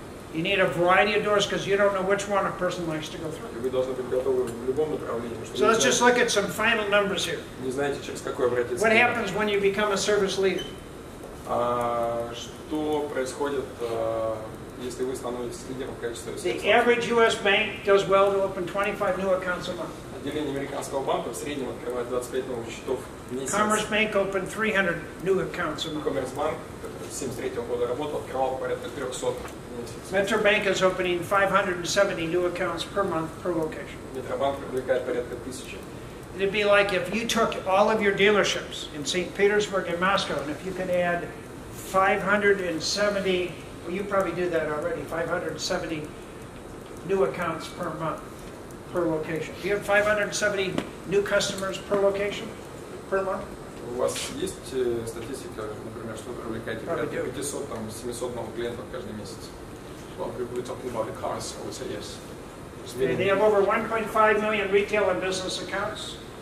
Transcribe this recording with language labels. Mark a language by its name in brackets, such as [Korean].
[English] You need a variety of doors because you don't know which one a person likes to go through. So let's just look at some final numbers here. What happens when you become a service leader? [Russian] Что происходит, если вы становитесь лидером в качестве сервиса? [English] The average US bank does well to open 25 new accounts a month. [Russian] Отделение американского банка в среднем открывает 25 новых счетов в месяц. [English] Commerce bank opened 300 new accounts a month. [Russian] Commerce bank, который с 73 года работал, открывал порядка 300 в месяц. [English] Metro bank is opening 570 new accounts per month per location. [Russian] Метробанк привлекает порядка 1000. [English] It'd be like if you took all of your dealerships in St. Petersburg and Moscow, and if you could add 570, well, you probably do that already, 570 new accounts per month, per location. Do you have 570 new customers per location, per month? [Russian] У вас есть статистика, например, что привлекаете 500, там, 700 новых клиентов каждый месяц? [English] Well, if we're talking about the cars, I would say yes. And they have over 1.5 million retail and business accounts.